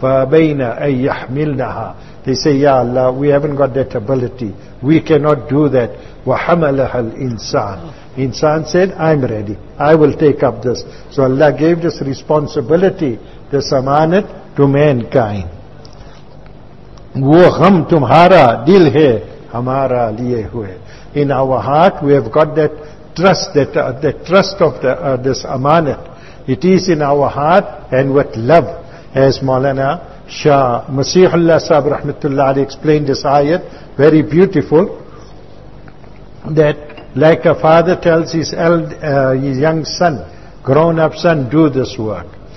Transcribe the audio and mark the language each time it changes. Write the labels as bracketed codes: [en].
[ar] فَأَبَيْنَا أَن يَحْمِلْنَهَا. [en] They say, Ya Allah, we haven't got that ability. We cannot do that. [ar] وَحَمَلَهَا الْإِنسَانِ. [en] Insan said, I'm ready. I will take up this. So Allah gave this responsibility, this amanat, to mankind. [ur] وہ غم تمہارا دل ہے ہمارا لیے ہوئے. [en] In our heart we have got that trust, this amanat. It is in our heart and with love. As Maulana Shah Masihullah Sahib Rahmatullah Ali explained this ayat, very beautiful, that like a father tells his young son, grown up son, do this work.